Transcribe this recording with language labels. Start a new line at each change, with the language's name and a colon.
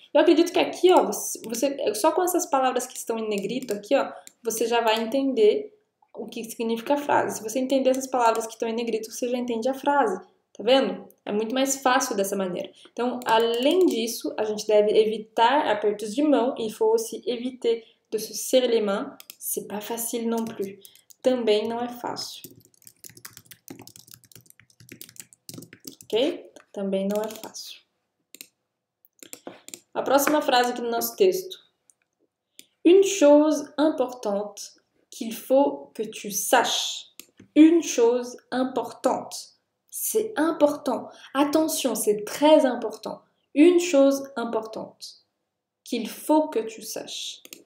Portuguese: Eu acredito que aqui, ó, só com essas palavras que estão em negrito aqui, ó, você já vai entender o que significa a frase. Se você entender essas palavras que estão em negrito, você já entende a frase. Tá vendo? É muito mais fácil dessa maneira. Então, além disso, a gente deve evitar apertos de mão e fosse evitar
French: de se serrer les mains, c'est pas facile non plus.
Portuguese: Também não é fácil. Ok? Também não é fácil. A próxima frase aqui no nosso texto.
French: Une chose importante qu'il faut que tu saches. Une chose importante. C'est important. Attention, c'est très important. Une chose importante qu'il faut que tu saches.